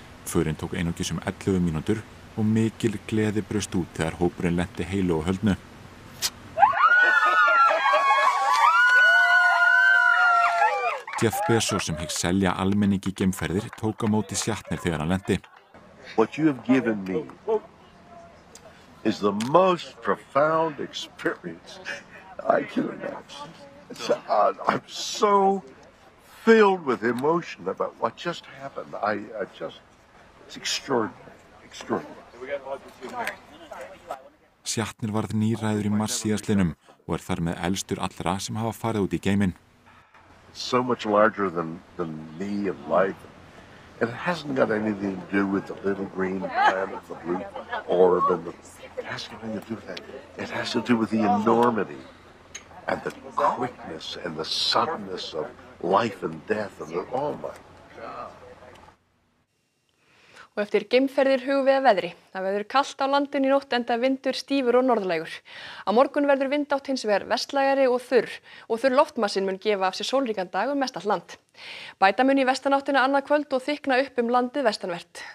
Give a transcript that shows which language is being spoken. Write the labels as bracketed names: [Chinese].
[Icelandic] Förin tók einungis 11 mínútur og mikil gleði braust út þegar hópurinn lenti heilu og höldnu. Jeff Bezos sem hefði selja almenningi geimferðir tók á móti Shatner þegar hann lenti. [English] What you have given me is the most profound experience I can imagine. I'm so filled with emotion about what just happened. I just, it's extraordinary, extraordinary. [Icelandic] Shatner varð nýræður í mars síðastlinum og þar með elstur allra sem hafa farið út í geiminn. [English] So much larger than me of life. And it hasn't got anything to do with the little green planet, the blue orb, and the... It has nothing to do with that. It has to do with the enormity and the quickness and the suddenness of life and death and the... Oh my God. [Icelandic] Og eftir geimferðir hugum við að veðri. Það verður kalt á landinu í nótt enda vindur stífur og norðlægur. Á morgun verður vindátt hins vegar vestlægari og þurr loftmassinn mun gefa af sér sólríkan dag mest allt land. Bæta mun í vestanáttina annað kvöld og þykkna upp landið vestanvert.